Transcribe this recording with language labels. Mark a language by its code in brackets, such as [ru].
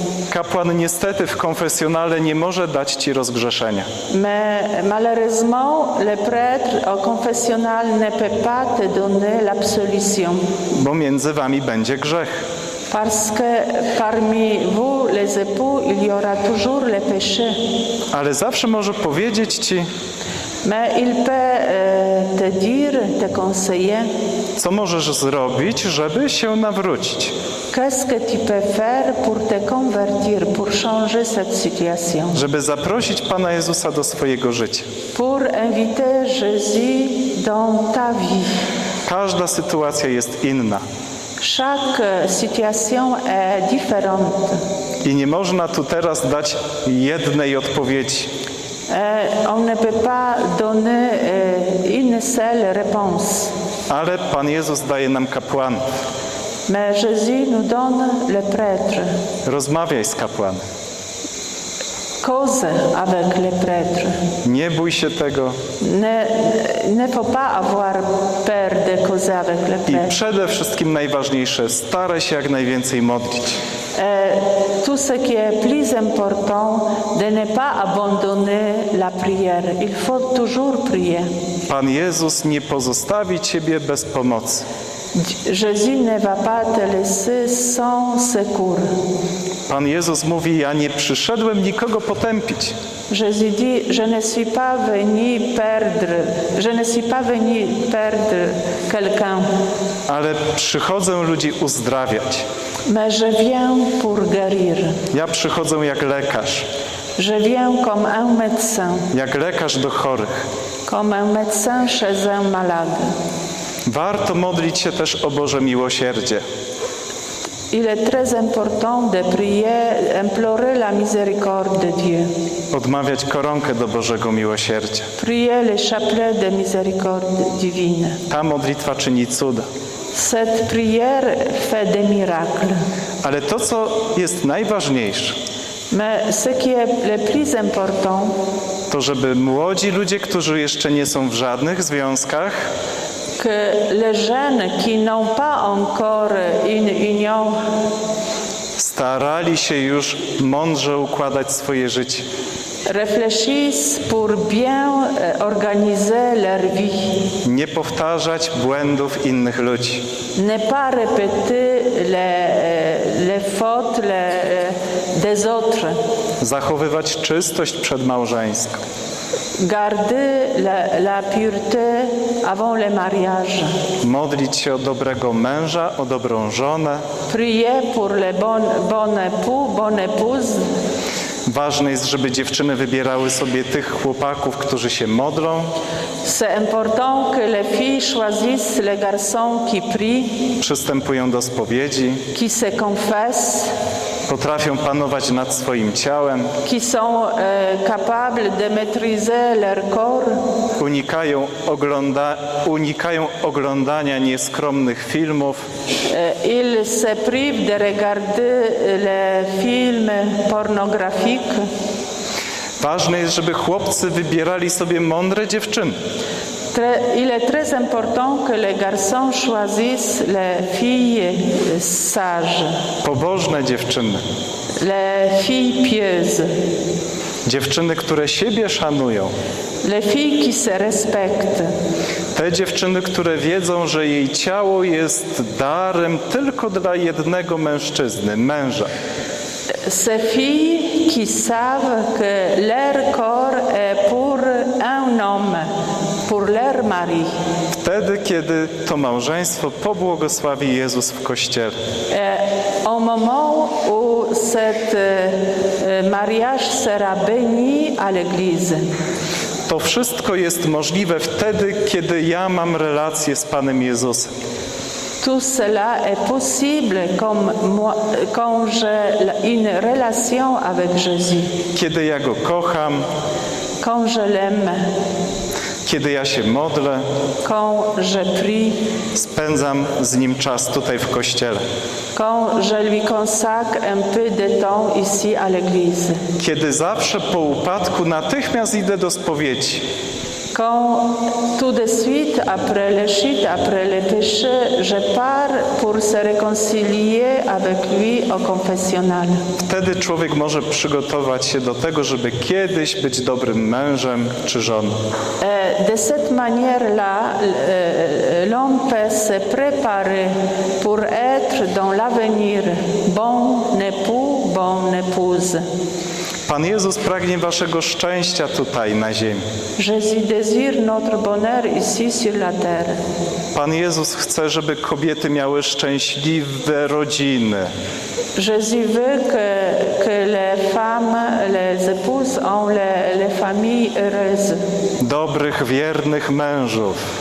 [pl] Kapłan niestety w konfesjonale nie może dać ci rozgrzeszenia. [fr] Mais malheureusement, le prêtre au confessionnal ne peut pas te donner l'absolution. [pl] Bo między wami będzie grzech. [fr] Parce que parmi vous, les époux, il y aura toujours le péché. [pl] Ale zawsze może powiedzieć ci, [fr] mais il peut te dire, te conseiller, [pl] co możesz zrobić, żeby się nawrócić. [fr] Qu'est-ce que tu peux faire pour te convertir, pour changer cette situation? [pl] Żeby zaprosić Pana Jezusa do swojego życia. [fr] Pour inviter Jésus dans ta vie. [pl] Każda sytuacja jest inna. [fr] Chaque situation est différente. [pl] I nie można tu teraz dać jednej odpowiedzi. [fr] On ne peut pas donner une seule réponse. [pl] Ale Pan Jezus daje nam kapłan. [fr] Mais Jésus nous donne le prêtre. [pl] Rozmawiaj z kapłanem. [fr] cose avec les prêtres. [pl] Nie bój się tego. [fr] Ne faut pas avoir peur de causer avec les prêtres. [pl] I przede wszystkim najważniejsze, staraj się jak najwięcej modlić. [fr] Tout ce qui est plus important de ne pas abandonner la prière. Il faut toujours prier. [pl] Pan Jezus nie pozostawi ciebie bez pomocy. [fr] Jésus ne va pas te laisser sans secours. [pl] Pan Jezus mówi, ja nie przyszedłem nikogo potępić. [fr] Jésus dit, je ne suis pas venu perdre, je ne suis pas venu perdre quelqu'un. [pl] Ale przychodzę ludzi uzdrawiać. [fr] Mais je viens pour guérir. [pl] Ja przychodzę jak lekarz. [fr] Je viens comme un médecin. [pl] Jak lekarz do chorych. [fr] Comme un médecin chez un malade. [pl] Warto modlić się też o Boże miłosierdzie. [fr] Il est très important de prier, implorer la miséricorde de Dieu. [pl] Odmawiać koronkę do Bożego miłosierdzia. [fr] Prier le chapelet de miséricorde divine. [pl] Ta modlitwa czyni cuda. [fr] Cette prière fait des miracles. [pl] Ale to, co jest najważniejsze. [fr] Mais ce qui est le plus important. [pl] To, żeby młodzi ludzie, którzy jeszcze nie są w żadnych związkach. [fr] Que les jeunes qui n'ont pas encore une union [pl] starali się już mądrze układać swoje życie. [fr] Réfléchissent pour bien organiser leur vie. [pl] Nie powtarzać błędów innych ludzi. [fr] Ne pas répéter les fautes des autres. [pl] Zachowywać czystość przedmałżeńską. [fr] Garder la pureté avant le mariage. [pl] Modlić się o dobrego męża, o dobrą żonę. [fr] Prier pour le bon épouse. [pl] Ważne jest, żeby dziewczyny wybierały sobie tych chłopaków, którzy się modlą. [fr] C'est important que les filles choisissent les garçons qui prient. [pl] Przystępują do spowiedzi. [fr] Qui se confessent. [pl] Potrafią panować nad swoim ciałem. [fr] Qui sont capables de maîtriser leur corps. [pl] Unikają oglądania nieskromnych filmów. [fr] Ils se privent de regarder les films pornographiques. [pl] Ważne jest, żeby chłopcy wybierali sobie mądre dziewczyny. [fr] Il est très important que les garçons choisissent les filles sages. [pl] Pobożne dziewczyny. [fr] Les filles pieuses. [pl] Dziewczyny, które siebie szanują. [fr] Les filles qui se respectent. [pl] Te dziewczyny, które wiedzą, że jej ciało jest darem tylko dla jednego mężczyzny, męża. [fr] Ces filles qui savent que leur corps est pour un homme. Pour leur mari. [pl] Wtedy, kiedy to małżeństwo pobłogosławi Jezus w kościele. [fr] Au moment où cet mariage sera béni à l'église. [pl] To wszystko jest możliwe wtedy, kiedy ja mam relację z Panem Jezusem. [fr] Tout cela est possible quand j'ai une relation avec Jésus. [pl] Kiedy ja go kocham. [fr] Quand je l'aime. [pl] Kiedy ja się modlę, [fr] quand je prie, [pl] spędzam z nim czas tutaj w kościele. [fr] Quand je lui consacre un peu de temps ici à l'église. [pl] Kiedy zawsze po upadku natychmiast idę do spowiedzi. [fr] Quand tout de suite après le chute, après le péché, je pars pour se réconcilier avec lui au confessionnal. [pl] Wtedy człowiek może przygotować się do tego, żeby kiedyś być dobrym mężem czy żoną. [fr] De cette manière-là, l'homme peut se préparer pour être dans l'avenir bon époux, bonne épouse. [pl] Pan Jezus pragnie waszego szczęścia tutaj na ziemi. [fr] Jésus désire notre bonheur ici sur la terre. [pl] Pan Jezus chce, żeby kobiety miały szczęśliwe rodziny. [fr] Jésus veut que les femmes, les épouses ont les familles heureuses. [pl] Dobrych, wiernych mężów.